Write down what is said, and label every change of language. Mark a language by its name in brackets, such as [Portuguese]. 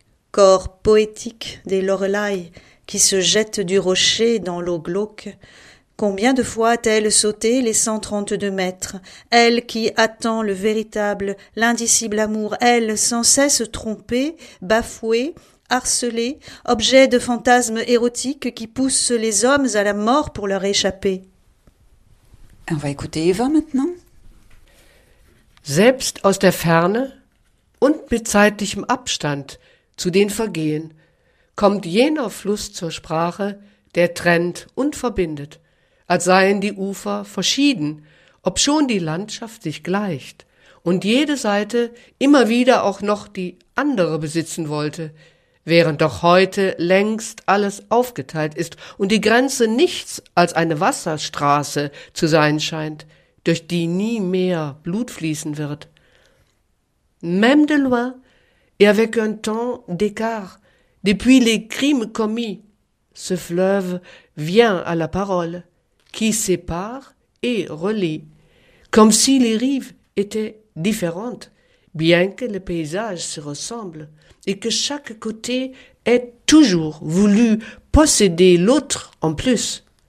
[French] Corps poétique des Lorelai qui se jettent du rocher dans l'eau glauque, combien de fois a-t-elle sauté les 132 mètres, elle qui attend le véritable, l'indicible amour, elle sans cesse trompée, bafouée, harcelée, objet de fantasmes érotiques qui poussent les hommes à la mort pour leur échapper. On va écouter Eva maintenant. [German] Selbst aus der Ferne und mit zeitlichem Abstand zu den Vergehen kommt jener Fluss zur Sprache, der trennt und verbindet, als seien die Ufer verschieden, obschon die Landschaft sich gleicht und jede Seite immer wieder auch noch die andere besitzen wollte, während doch heute längst alles aufgeteilt ist und die Grenze nichts als eine Wasserstraße zu sein scheint, durch die nie mehr Blut fließen wird. [French] Même de loin, et avec un temps d'écart, depuis les crimes commis, ce fleuve vient à la parole, qui sépare et relie, comme si les rives étaient différentes, bien que le paysage se ressemble, et que chaque côté ait toujours voulu posséder l'autre en plus,